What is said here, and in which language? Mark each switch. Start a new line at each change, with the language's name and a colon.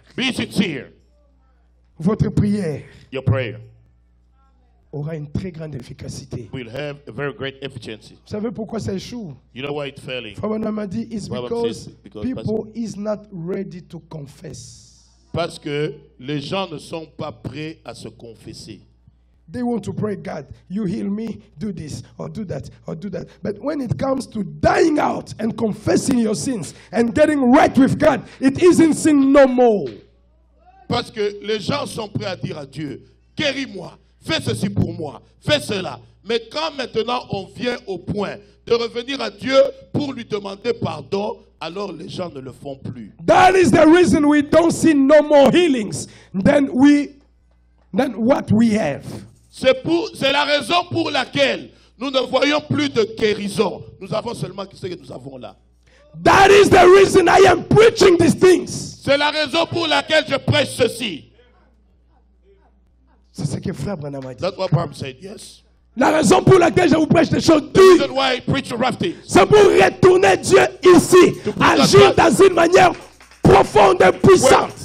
English: Be sincere.
French: Votre prière.
English: Your prayer.
French: Aura une très grande efficacité.
English: Will have a very great efficiency.
French: Vous savez pourquoi ça échoue?
English: You know why it's failing?
French: Frère m'a dit,
English: it's because people is not ready to confess.
French: Parce que les gens ne sont pas prêts à se confesser.
English: They want to pray, God, you heal me, do this or do that or do that. But when it comes to dying out and confessing your sins and getting right with God, it isn't sin no more.
French: Parce que les gens sont prêts à dire à Dieu, guéris-moi. Fais ceci pour moi, fais cela. Mais quand maintenant on vient au point de revenir à Dieu pour lui demander pardon, alors les gens ne le font plus.
English: That is the reason we don't see no more healings than what we have.
French: C'est la raison pour laquelle nous ne voyons plus de guérison. Nous avons seulement ce que nous avons là.
English: That is the reason I am preaching these things.
French: C'est la raison pour laquelle je prêche ceci. C'est ce que Frère Branham a dit.
English: That's what Bram said, yes.
French: La raison pour laquelle je vous prêche des choses dures, c'est pour retourner Dieu ici, agir dans une manière profonde et puissante.